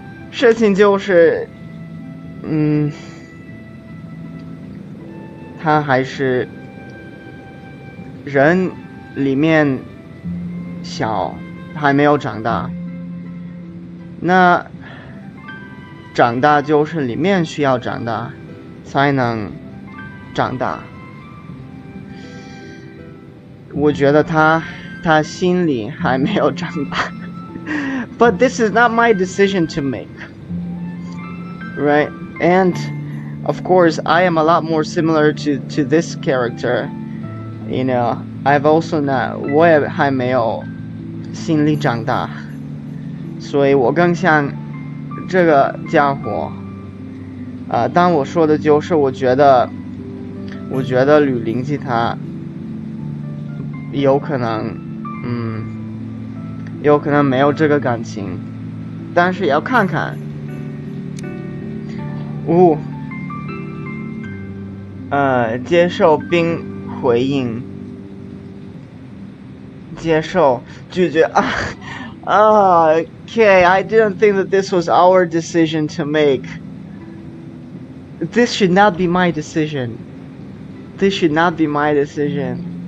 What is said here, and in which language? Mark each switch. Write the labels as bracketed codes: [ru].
[zh] 事情就是，他还是人里面小，还没有长大。那长大就是里面需要长大，才能长大。我觉得他心里还没有长大。 [en] But this is not my decision to make, right? And of course, I am a lot more similar to this character. You know, I've also not, [zh] 我也还没有心里长大，所以我更像这个家伙。当我说的就是我觉得吕灵吉他有可能没有这个感情，但是要看看。接受并回应，接受拒绝啊。 [en] Okay, I didn't think that this was our decision to make. This should not be my decision. This should not be my decision.